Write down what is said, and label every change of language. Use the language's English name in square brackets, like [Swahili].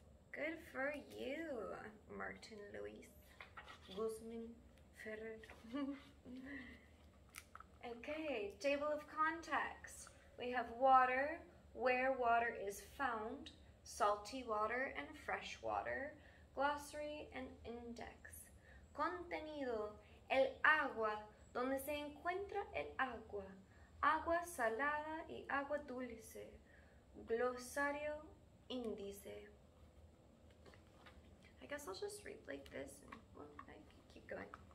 [English] Good for you, Martin Luis Guzman Ferrer. Okay, table of contents. We have water, where water is found, salty water and fresh water, glossary and index. [Spanish] Contenido, el agua, donde se encuentra el agua, agua salada y agua dulce, glosario, índice. [English] I guess I'll just read like this and well, I can keep going.